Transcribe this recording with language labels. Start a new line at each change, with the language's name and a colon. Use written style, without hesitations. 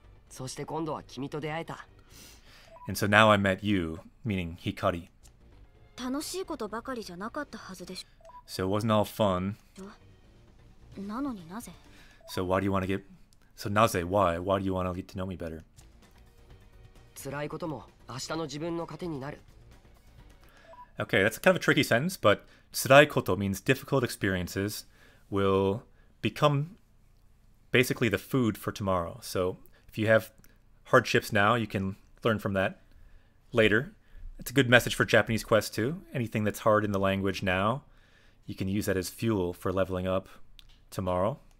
Japanese: Soshite kondo wa kimi to deaeta.
English: And so now I met you, meaning Hikari.
Japanese: Tanoshii koto bakari ja nakatta hazu desu.
English: So it wasn't all fun.
Japanese: なのになぜ?
English: So why do you want to get... So naze, why? Why do you want to get to know me better?
Japanese: つらいことも明日の自分の糧になる。Okay,
English: that's kind of a tricky sentence, but
Japanese: tsurai koto
English: means difficult experiences will become basically the food for tomorrow. So if you have hardships now, you can learn from that later. It's a good message for Japanese Quest too. Anything that's hard in the language now, you can use that as fuel for leveling up tomorrow.